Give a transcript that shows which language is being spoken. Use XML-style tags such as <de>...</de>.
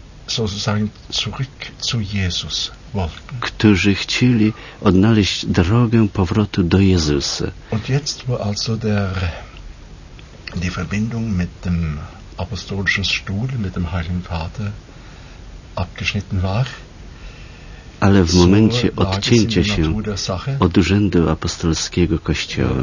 <de>sozusagen zurück zu Jesus wollten.</de> <pl>Którzy chcieli odnaleźć drogę powrotu do Jezusa.</pl> <de>Und jetzt wo also die Verbindung mit dem apostolischen Stuhl, mit dem Heiligen Vater abgeschnitten war,</de> <pl>ale w momencie odcięcia się od urzędu apostolskiego Kościoła,</pl>